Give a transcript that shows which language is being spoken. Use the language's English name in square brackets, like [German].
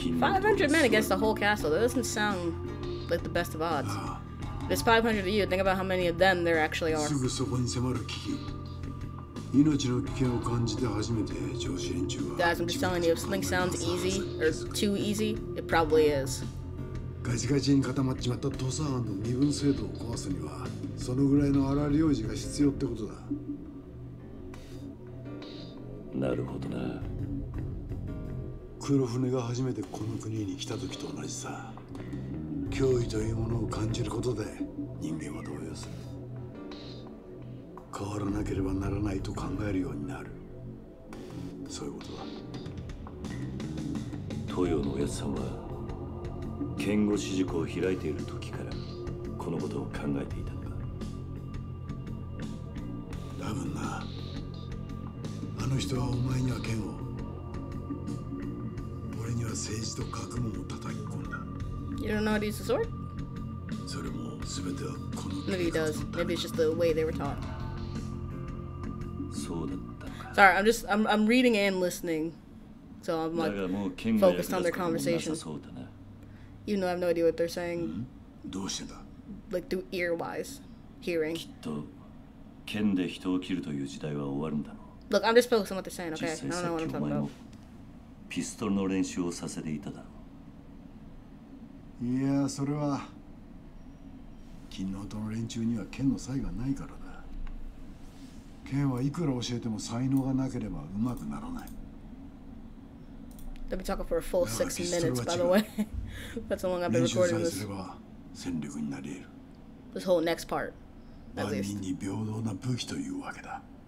[English] 500 men against the whole castle, that doesn't sound like the best of odds. There's 500 of you. Think about how many of them there actually are. [Japanese] すぐそこに迫る危機。命の危険を感じて初めて上司連中は。 [English] Guys, I'm just telling you, if something sounds easy or too easy, it probably is. [Japanese] ガチガチに固まっちまった土佐藩の身分制度を壊すには、そのぐらいの荒療治が必要ってことだ。なるほどな。黒船が初めてこの国に来た時と同じさ。脅威というものを感じることで人間は動揺する。変わらなければならないと考えるようになる。そういうことだ。東洋のおやつさんは剣後四塾を開いている時からこのことを考えていたのか。多分な。あの人はお前には剣を、俺には政治と学問を叩き込んだ。 [English] You don't know how to use the sword? [Japanese] それも全てはこの [English] Maybe he does. Maybe it's just the way they were taught. [Japanese] そうだったか。 [English] Sorry, I'm reading and listening. So I'm like focused on their conversation. You know, I have no idea what they're saying. [Japanese] どうしてだ? [English] Like through ear-wise, hearing. [Japanese] きっと剣で人を切るという時代は終わるんだ。 [English] Look, I'm just focused on what they're saying, okay? I don't know what I'm talking about. [Japanese] ピストルの練習をさせていただ。いや、それは金の音の連中には剣の才がないからだ。剣はいくら教えても才能がなければうまくならない。 [English] Let me talk for a full 6 minutes, by the way. That's how long I've been recording this. [Japanese] 練習さえすれば戦力になり得る。 [English] This whole next part, at least. [Japanese] 万人に平等な武器というわけだ。